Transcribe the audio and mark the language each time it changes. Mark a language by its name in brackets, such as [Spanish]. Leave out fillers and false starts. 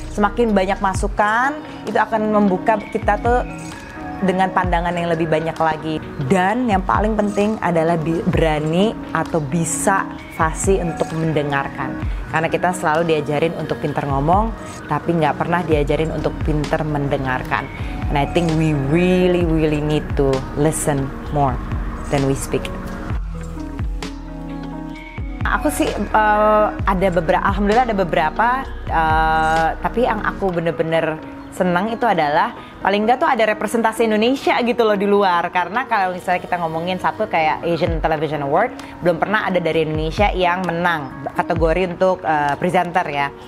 [Indonesian] Semakin banyak masukan, itu akan membuka kita tuh dengan pandangan yang lebih banyak lagi. Dan yang paling penting adalah berani atau bisa fasih untuk mendengarkan. Karena kita selalu diajarin untuk pintar ngomong, tapi nggak pernah diajarin untuk pintar mendengarkan. [English] And I think we really, really need to listen more than we speak. [Indonesian] aku sih ada beberapa, alhamdulillah ada beberapa, tapi yang aku bener-bener senang itu adalah paling enggak tuh ada representasi Indonesia gitu loh di luar. Karena kalau misalnya kita ngomongin satu kayak Asian Television Award, belum pernah ada dari Indonesia yang menang kategori untuk presenter ya.